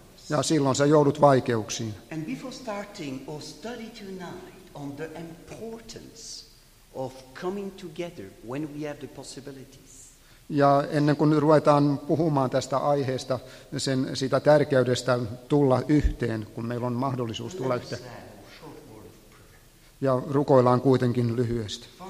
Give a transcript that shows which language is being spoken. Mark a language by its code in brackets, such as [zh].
[fi] Ja silloin sä joudut vaikeuksiin. [en] And before starting our study tonight on the importance of coming together when we have the possibilities. [fi] Ja ennen kuin ruvetaan puhumaan tästä aiheesta, sen sitä tärkeydestä tulla yhteen, kun meillä on mahdollisuus tulla yhteen. Ja rukoillaan kuitenkin lyhyesti.